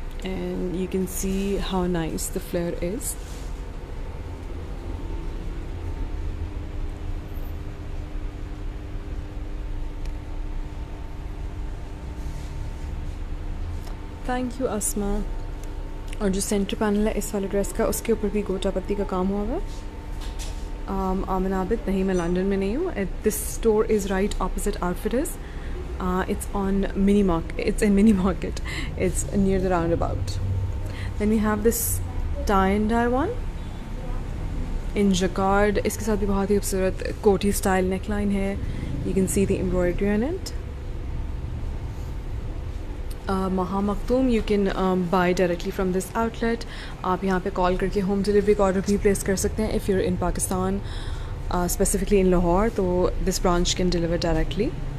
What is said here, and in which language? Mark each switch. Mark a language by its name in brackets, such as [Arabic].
[English] And you can see how nice the flare is. Thank you, Asma. And the center panel is this dress. [Urdu] کا، اس کے اوپر بھی گوٹا پٹی کا کام ہوا ہے۔ امینہ بٹ، نہیں، میں لندن میں نہیں ہوں۔ [English] This store is right opposite Outfitters. It's on mini market. It's in mini market. It's near the roundabout. Then we have this tie and dye one in jacquard. [Urdu] اس کے ساتھ بھی بہت ہی خوبصورت کوٹی سٹائل نیک لائن ہے۔ [English] You can see the embroidery on it. Maha Maktoum, you can buy directly from this outlet. [Urdu] آپ یہاں پہ call کر کے home delivery کا order بھی place کر سکتے ہیں [English] if you're in Pakistan, specifically in Lahore. So this branch can deliver directly.